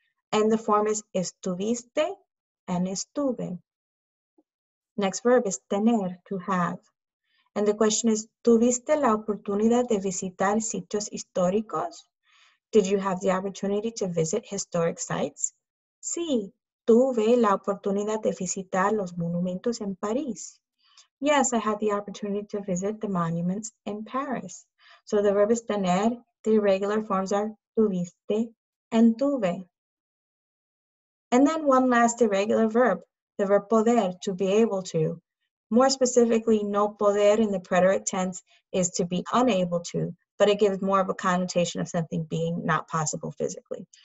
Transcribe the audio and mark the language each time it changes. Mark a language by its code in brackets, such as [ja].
[en] And the form is estuviste and estuve. Next verb is tener, to have. And the question is, ¿tuviste la oportunidad de visitar sitios históricos? Did you have the opportunity to visit historic sites? [es] Sí, tuve la oportunidad de visitar los monumentos en París. [en] Yes, I had the opportunity to visit the monuments in Paris. So the verb is tener, the irregular forms are tuviste and tuve. And then one last irregular verb. The verb poder, to be able to. More specifically, no poder in the preterite tense is to be unable to, but it gives more of a connotation of something being not possible physically.